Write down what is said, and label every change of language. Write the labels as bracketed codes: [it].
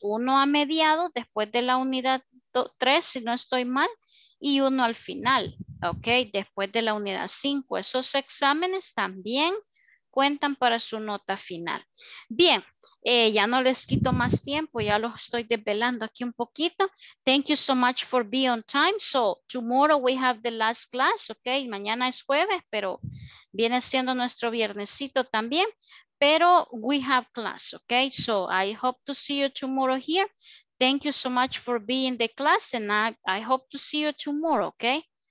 [es] Uno a mediados, después de la unidad 3, si no estoy mal, y uno al final, ¿ok? Después de la unidad 5. Esos exámenes también cuentan para su nota final. Bien, ya no les quito más tiempo, ya los estoy desvelando aquí un poquito. [en] Thank you so much for being on time. So, tomorrow we have the last class, ok. [es] Mañana es jueves, pero viene siendo nuestro viernesito también. [en] Pero we have class, ok. So, I hope to see you tomorrow here. Thank you so much for being in the class and I hope to see you tomorrow, ok.